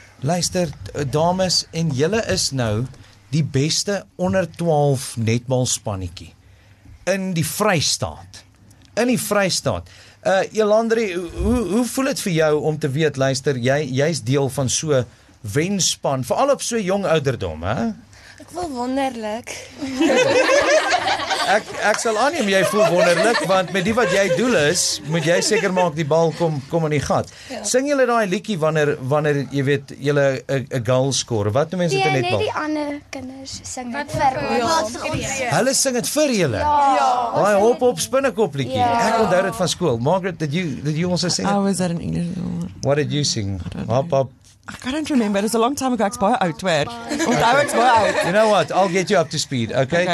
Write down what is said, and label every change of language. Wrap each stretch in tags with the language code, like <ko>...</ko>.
<af>Luister, dames, en julle is nou die beste onder 12 netbalspannetjie in die Vrystaat. Elandre, hoe voel het vir jou om te weet, luister, jy is deel van so... wenspan, vooral op so jong ouderdom, hè? Ek voel wonderlik. ek sal aanneem, jy voel wonderlik, want met die wat jy doel is, moet jy seker maak die bal kom in die gat. Ja. Sing julle daai liedjie wanneer jy weet, julle 'n goal score, wat noem mense dit in netbal? Nee, die ander kinders sing dit vir ons. Hulle sing het vir julle? Ja. Hy hop op spinnekop liedjie. Ja. Ek onthou dit van school.</af> <en>Margaret, did you also sing it? I was that in English. What did you sing? Hop. I can't remember, it's a long time ago,</en> <af>ek is baie oud, weer. Onthou ek is baie oud.</af> <en>You know what, I'll get you up to speed, okay?</en>